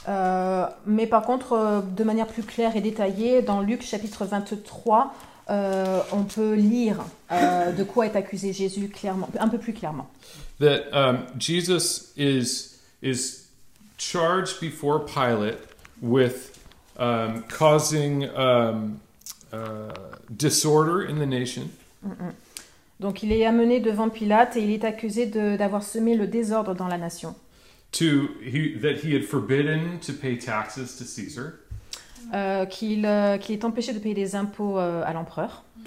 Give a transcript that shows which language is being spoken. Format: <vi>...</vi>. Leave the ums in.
<fr>Uh, mais par contre, de manière plus claire et détaillée, dans Luc chapitre 23, euh, on peut lire euh, de quoi est accusé Jésus clairement, un peu plus clairement.</fr> <en>That um, Jesus is is charged before Pilate with um, causing um, uh, disorder in the nation. Mm -mm.</en> <fr>Donc il est amené devant Pilate et il est accusé d'avoir semé le désordre dans la nation.</fr> <en>To, he, that he had forbidden to pay taxes to Caesar.</en> <fr>Uh, qu'il uh, qu est empêché de payer des impôts uh, à l'empereur.</fr>